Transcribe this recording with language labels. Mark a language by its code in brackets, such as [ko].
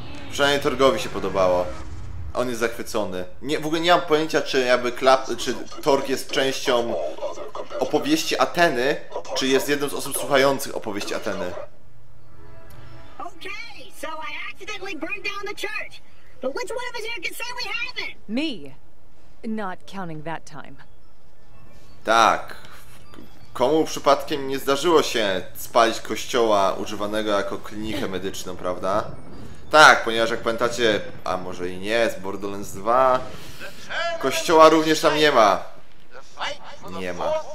[pl] Przynajmniej Torgowi się podobało. On jest zachwycony. Nie, w ogóle nie mam pojęcia, czy jakby czy Torg jest częścią opowieści Ateny, czy jest jedną z osób słuchających opowieści Ateny. [en] Okay, so I accidentally burned down the church. But which one of us here can say we haven't? Me. Not counting that time. [pl] Tak. Komu przypadkiem nie zdarzyło się spalić kościoła używanego jako klinikę medyczną, prawda? Tak, ponieważ jak pamiętacie, a może i nie, z Borderlands 2, kościoła również tam nie ma. Nie ma.